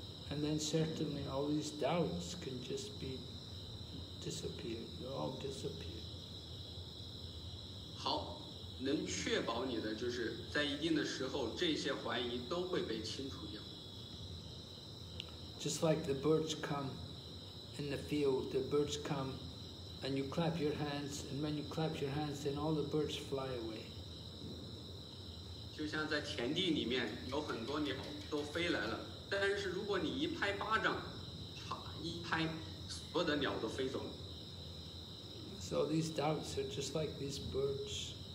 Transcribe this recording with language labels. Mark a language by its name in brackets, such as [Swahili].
[English] And then certainly all these doubts can just be disappeared. They all disappear. [Chinese] 好。能确保你的就是在一定的时候这些怀疑都会被清除掉。 [English] Just like the birds come in the field, the birds come and you clap your hands, and when you clap your hands, then all the birds fly away. [Chinese] 就像在田地里面有很多鸟都飞来了，但是如果你一拍巴掌，一拍，所有的鸟都飞走了。 [English] So these doubts are just like these birds.